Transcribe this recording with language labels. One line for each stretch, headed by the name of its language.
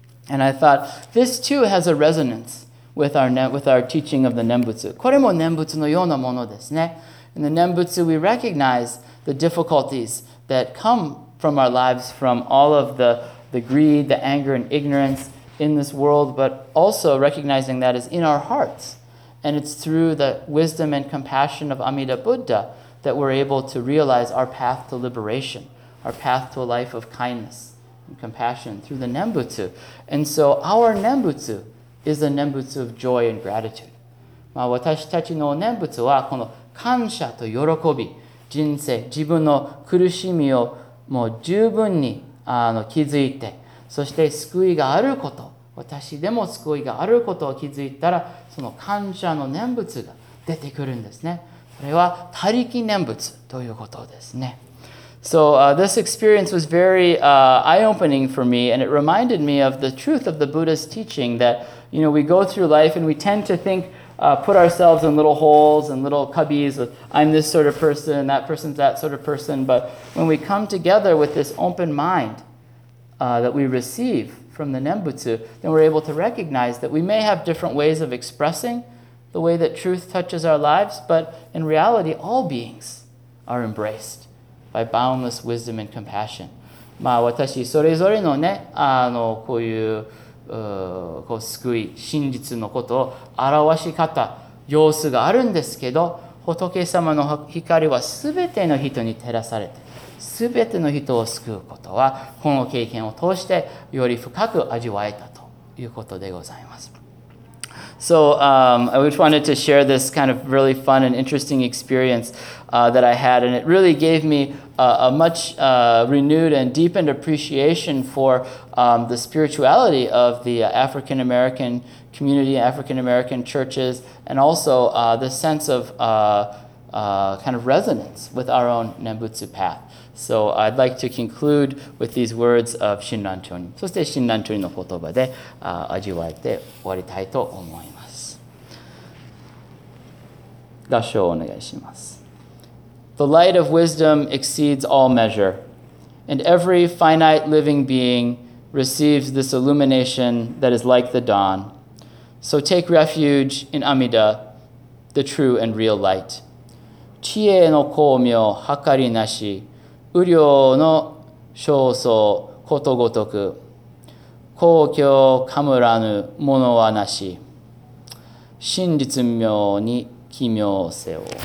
English: And I thought, this too has a resonance with our teaching of the Nembutsu.
Japanese: これも Nembutsu のようなものですね。
English: In the Nembutsu, we recognize the difficulties that come from our lives, from all of the greed, the anger, and ignorance in this world, but also recognizing that is in our hearts. And it's through the wisdom and compassion of Amida Buddha that we're able to realize our path to liberation, our path to a life of kindness and compassion through the Nembutsu. And so our Nembutsu is a Nembutsu of joy and gratitude.
Japanese: まあ私たちの Nembutsu はこの感謝と喜び、人生、自分の苦しみをもう十分に気づいて、そして救いがあること、私でも救いがあることを気づいたら、その感謝の念仏が出てくるんですね。それは他力念仏ということですね。
English: So, this experience was very, eye-opening for me, and it reminded me of the truth of the Buddha's teaching that, you know, we go through life and we tend to think, put ourselves in little holes and little cubbies with, I'm this sort of person, that person's that sort of person. But when we come together with this open mind that we receive from the Nembutsu, then we're able to recognize that we may have different ways of expressing the way that truth touches our lives, but in reality, all beings are embraced by boundless wisdom and compassion.
Japanese: まあ私それぞれのね、こういう、こう救い真実のことを表し方様子があるんですけど、仏様の光は全ての人に照らされて、全ての人を救うことはこの経験を通してより深く味わえたということでございます。
English: So I just wanted to share this kind of really fun and interesting experience that I had, and it really gave me a much renewed and deepened appreciation for the spirituality of the African American community, African American churches, and also the sense of kind of resonance with our own Nembutsu path. So I'd like to conclude with these words of Shinran Chōnin.
Japanese: So して Shinran Chōnin の言葉で味わえて終わりたいと思います。合唱をお願いします。
English: The light of wisdom exceeds all measure, and every finite living being receives this illumination that is like the dawn. So take refuge in Amida, the true and real light.
Japanese: 知恵の光明はかりなし、無量の正相ことごとく、公共かむらぬものはなし、真実妙に奇妙せを。